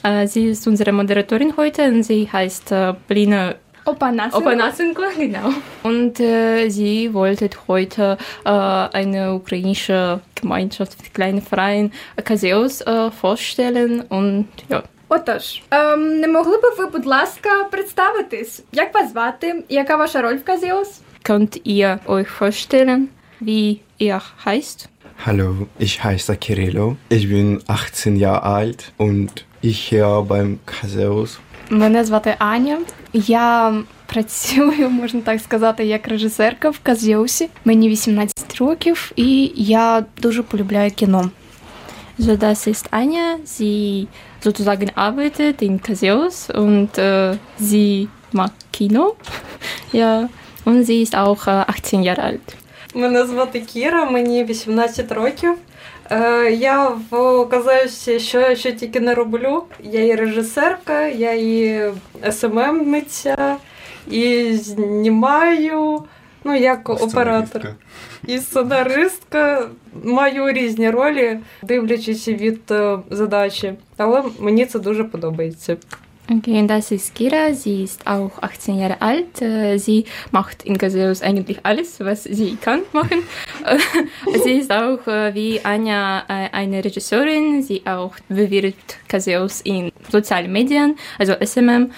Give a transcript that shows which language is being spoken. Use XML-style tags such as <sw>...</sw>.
<de>Sie ist unsere Moderatorin heute und sie heißt Polina Opanasenko, genau. Und sie wollte heute eine ukrainische Gemeinschaft, einen kleinen Verein Казеус vorstellen und ja.</de> <uk>Отож, не могли би ви, будь ласка, представитись? Як вас звати? Яка ваша роль в Казеус?</uk> <de>Könnt ihr euch vorstellen, wie ihr heißt? Hallo, ich heiße Kirillo. Ich bin 18 Jahre alt und ich hier beim Казеус.</de> <uk>Мене звати Аня. Я працюю, можна так сказати, як режисерка в Казеусі. Мені 18 років і я дуже полюбляю кіно.</uk> <de>So, das ist Anja. Sie sozusagen arbeitet in Казеус und sie mag Kino. Ja, und sie ist auch 18 Jahre alt.</de> <uk>Мене звати Кіра, мені 18 років. Я в Казеусі що тільки не роблю. Я і режисерка, я і СММ-ниця, і знімаю, ну, як оператор. І сценаристка. Маю різні ролі, дивлячись від задачі. Але мені це дуже подобається.</uk> <de>Okay, und das ist Kira, sie ist auch 18 Jahre alt. Sie macht in Casillos eigentlich alles, was sie kann machen. Sie ist auch wie Anja eine Regisseurin. Sie auch bewirbt Casillos in sozialen Medien, also SMM.</de>